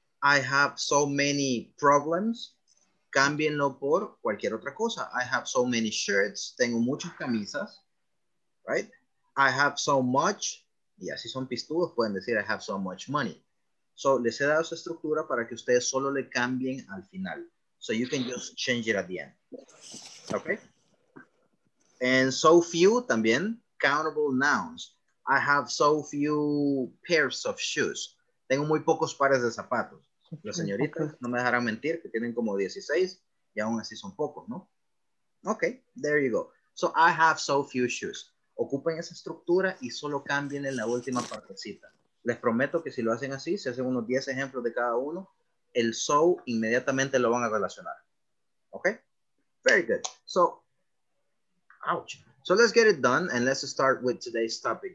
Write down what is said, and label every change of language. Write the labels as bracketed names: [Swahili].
[English] I have so many problems, [Spanish] cámbienlo por cualquier otra cosa. [English] I have so many shirts, [Spanish] tengo muchas camisas, [English] right? I have so much, [Spanish] y así son pistudos, pueden decir [English] I have so much money. [Spanish] So, les he dado esa estructura para que ustedes solo le cambien al final. [English] So, you can just change it at the end. Okay? And so few, también, countable nouns. I have so few pairs of shoes. [Spanish] Tengo muy pocos pares de zapatos. Las señoritas no me dejarán mentir, que tienen como 16, y aún así son pocos, ¿no? [English] Okay, there you go. So, I have so few shoes. [Spanish] Ocupen esa estructura y solo cambien en la última partecita. Les prometo que si lo hacen así, si hacen unos 10 ejemplos de cada uno, el so inmediatamente lo van a relacionar. [English] Ok. Very good. So, ouch. So let's get it done and let's start with today's topic.